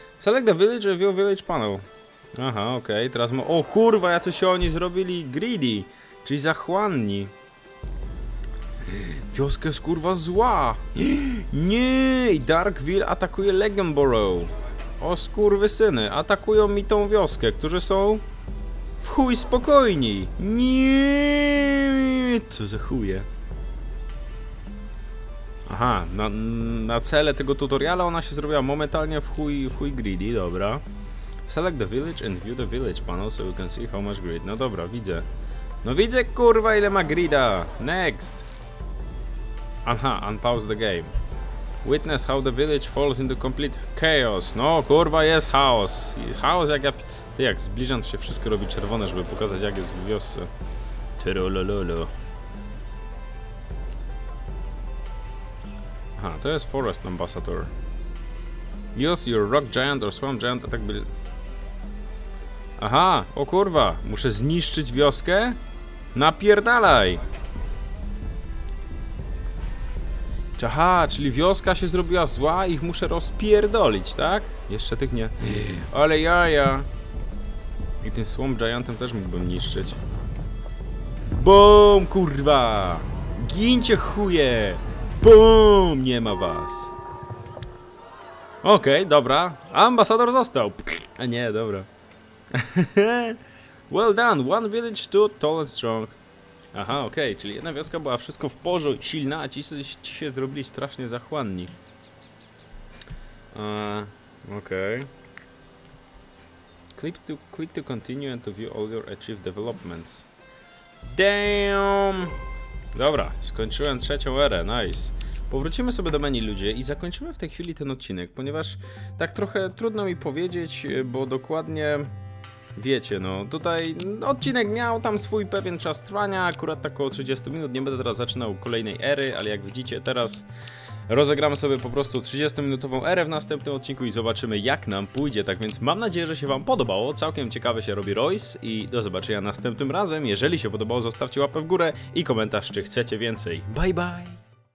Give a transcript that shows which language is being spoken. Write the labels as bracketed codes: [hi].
[en] Select the village, review village panel. [pl] Aha, okej, okay, teraz ma... O kurwa, jacy się oni zrobili greedy, czyli zachłanni. Wioska jest kurwa zła! Nie! Darkville atakuje Legenborough. O skurwysyny, atakują mi tą wioskę, którzy są... W chuj spokojni! Nie! Co za chuje? Aha, na cele tego tutoriala ona się zrobiła momentalnie w chuj greedy, dobra. [en] Select the village and view the village panel so you can see how much greed. [pl] No dobra, widzę. No widzę kurwa ile ma greeda! Next! Aha, [en] unpause the game. Witness how the village falls into complete chaos. [pl] No kurwa jest chaos! Chaos jak ja... Ty jak zbliżam to się wszystko robi czerwone, żeby pokazać jak jest w wiosce. Trolololo. Aha, to jest Forest Ambassador. [en] Use your rock giant or swamp giant attack build. [pl] Aha, o kurwa, muszę zniszczyć wioskę? Napierdalaj! Aha, czyli wioska się zrobiła zła i ich muszę rozpierdolić, tak? Jeszcze tych nie. Ale jaja. I tym swamp giantem też mógłbym niszczyć. Boom, kurwa! Gińcie chuje! Boom, nie ma was. Okej, okay, dobra. Ambasador został. A nie, dobra. [en] Well done, one village, two tall and strong. [pl] Aha, okej, okay, czyli jedna wioska była wszystko w porzu i silna, a ci się zrobili strasznie zachłanni. Okej. Okay. [en] Click to continue and to view all your achieved developments. Damn! [pl] Dobra, skończyłem trzecią erę, nice. Powrócimy sobie do menu ludzie i zakończymy w tej chwili ten odcinek, ponieważ tak trochę trudno mi powiedzieć, bo dokładnie wiecie, no tutaj odcinek miał tam swój pewien czas trwania, akurat tak około 30 minut, nie będę teraz zaczynał kolejnej ery, ale jak widzicie teraz rozegramy sobie po prostu 30-minutową erę w następnym odcinku i zobaczymy jak nam pójdzie, tak więc mam nadzieję, że się wam podobało, całkiem ciekawe się robi Royce i do zobaczenia następnym razem, jeżeli się podobało zostawcie łapę w górę i komentarz czy chcecie więcej, [en] bye bye!